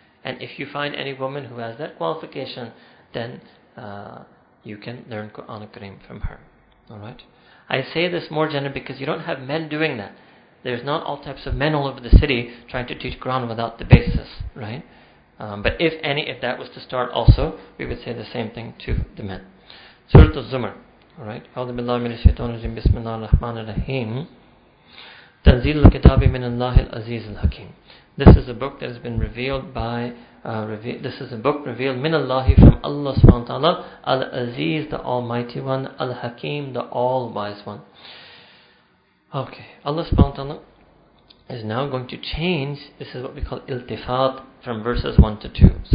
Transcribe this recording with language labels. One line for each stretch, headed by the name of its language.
English: And if you find any woman who has that qualification, then you can learn Quran Kareem from her. All right? I say this more gender because you don't have men doing that. There's not all types of men all over the city trying to teach Quran without the basis. Right? But if that was to start also, we would say the same thing to the men. Surah Az-Zumar, alright?
Arabic: أعوذ بالله من الشيطان الرجيم بسم الله الرحمن الرحيم تنزيل الكتاب من الله العزيز الحكيم.
English: This is a book that has been revealed by, this is a book revealed
Arabic: من الله
English: from Allah subhanahu wa ta'ala, Al-Aziz, the Almighty One, Al-Hakim, the All-Wise One. Okay, Allah subhanahu wa ta'ala is now going to change, this is what we call iltifat, from verses 1 to 2.